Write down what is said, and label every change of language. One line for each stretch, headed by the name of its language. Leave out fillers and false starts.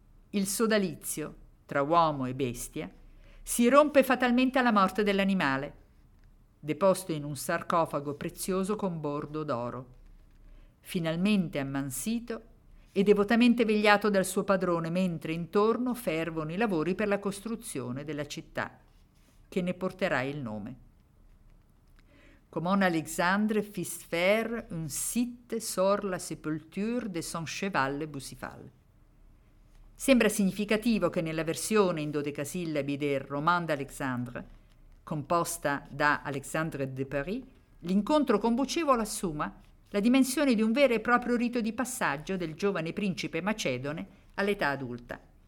Italian: Il sodalizio tra uomo e bestia si rompe fatalmente alla morte dell'animale, deposto in un sarcofago prezioso con bordo d'oro, finalmente ammansito e devotamente vegliato dal suo padrone, mentre intorno fervono i lavori per la costruzione della città che ne porterà il nome.
French: Comment Alexandre fit faire un site sur la sépulture de son cheval Bucifal.
Italian: Sembra significativo che nella versione in dodecasillabi del Roman d'Alexandre, composta da Alexandre de Paris, l'incontro con Bucevolo assuma la dimensione di un vero e proprio rito di passaggio del giovane principe macedone all'età adulta.